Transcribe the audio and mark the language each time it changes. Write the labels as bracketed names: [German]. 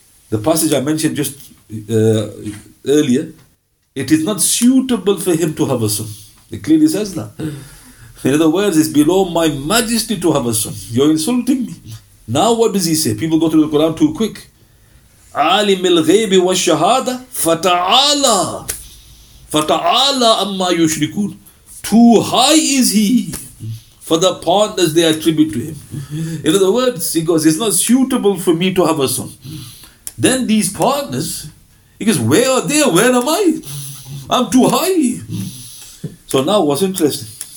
[English] The passage I mentioned just earlier, it is not suitable for him to have a son. It clearly says that. In other words, it's below my majesty to have a son. You're insulting me. Now what does he say? People go through the Quran too quick. [Arabic] عالم الغيب والشهادة فتعالى فتعالى أما يشركون. [English] Too high is he for the partners they attribute to him. In other words, he goes, it's not suitable for me to have a son. Then these partners, he goes, where are they? Where am I? I'm too high. So now what's interesting?